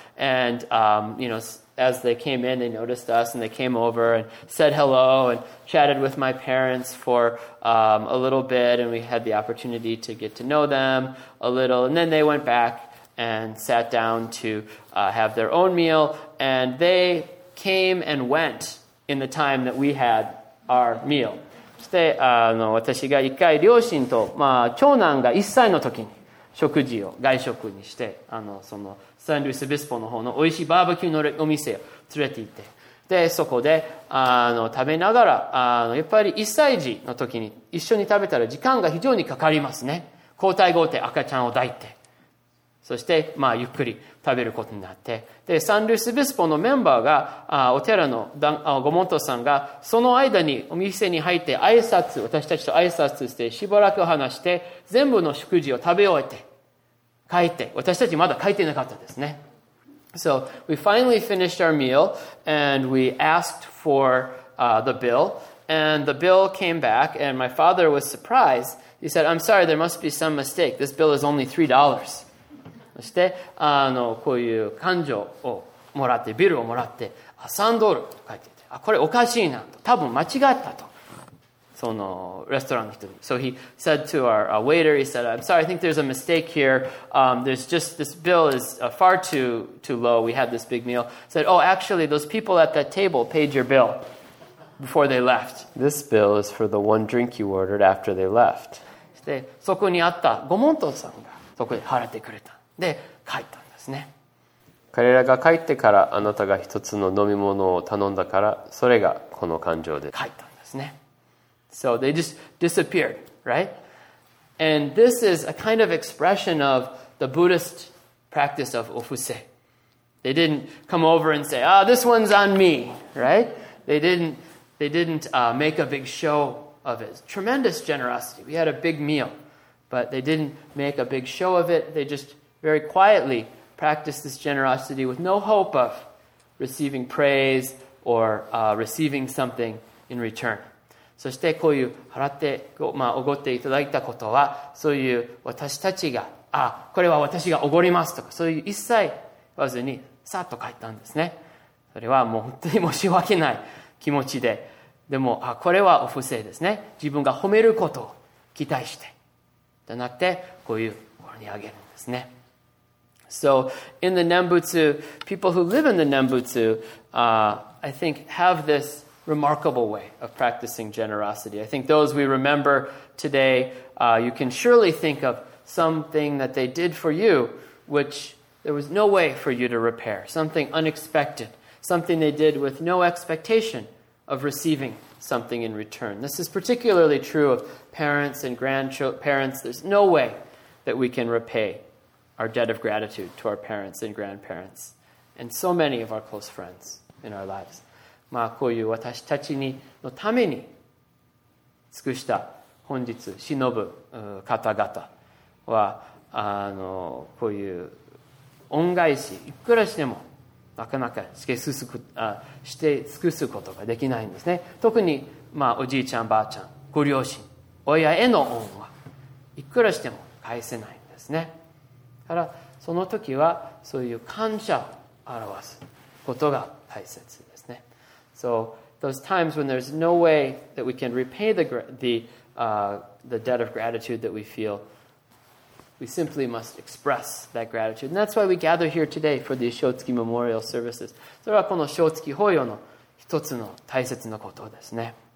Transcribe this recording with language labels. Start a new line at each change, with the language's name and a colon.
English: And, as they came in, they noticed us and they came over and said hello and chatted with my parents for a little bit. And we had the opportunity to get to know them a little. And then they went back and sat down to have their own meal. And they came and went in the time that we had our meal.
Japanese: そして私が一回両親と、まあ、長男が1歳の時に食事を外食にして、そのサンルイスビスポの方の美味しいバーベキューのお店を連れて行って、で、そこで、食べながら、やっぱり1歳児の時に一緒に食べたら時間が非常にかかりますね。交代交代赤ちゃんを抱いて。そして、まあ、ゆっくり食べることになって。で、サンルイスビスポのメンバーが、お寺のご門徒さんが、その間にお店に入って挨拶、私たちと挨拶して、しばらく話して、全部の食事を食べ終えて、帰って、私たちまだ帰ってなかったですね。
English: So, we finally finished our meal, and we asked for, the bill, and the bill came back, and my father was surprised. He said, I'm sorry, there must be some mistake. This bill is only $3.
Japanese: そして、こういう勘定をもらって、ビルをもらって、3ドルと書いてて、これおかしいなと、多分間違ったと、そのレストランの人に。
English: So he said to our waiter, he said, I'm sorry, I think there's a mistake here. There's just, this bill is far too low. We had this big meal. Said, oh, actually, those people at that table paid your bill before they left. This bill is for the one drink you ordered after they left.
Japanese: そして、そこにあったご門徒さんが、そこで払ってくれた。で帰ったんですね。彼らが帰ってからあなたが一つの飲み物を頼んだから、それがこの感情で帰ったんですね。
English: So they just disappeared, right? And this is a kind of expression of the Buddhist practice of ofuse. They didn't come over and say, "Ah, this one's on me," right? They didn't make a big show of it. Tremendous generosity. We had a big meal, but they didn't make a big show of it. They just very quietly practice this generosity with no hope of receiving praise or receiving something in return.
Japanese: そしてこういう払って、まあ、おごっていただいたことは、そういう私たちが、これは私がおごりますとか、そういう一切言わずに、さっと帰ったんですね。それはもう本当に申し訳ない気持ちで、でも、これはお布施ですね。自分が褒めることを期待して、じゃなくて、こういうところにあげるんですね。
English: So in the Nembutsu, people who live in the Nembutsu, I think have this remarkable way of practicing generosity. I think those we remember today, you can surely think of something that they did for you, which there was no way for you to repair. Something unexpected. Something they did with no expectation of receiving something in return. This is particularly true of parents and grandparents. There's no way that we can repay our debt of gratitude to our parents and grandparents and so many of our close friends in our lives.
Japanese: まあこういう私たちにのために尽くした本日忍ぶ方々はこういう恩返しいくらしてもなかなかして尽くすことができないんですね。特にまあおじいちゃんばあちゃんご両親親への恩はいくらしても返せないんですね。からその時はそういう感謝を表すことが大切ですね。
English: So those times when there's no way that we can repay the debt of gratitude that we feel, we simply must express that gratitude. And that's why we gather here today for these Shōtsuki Memorial Services.
Japanese: それはこの Shōtsuki Hōyō の一つの大切なことですね。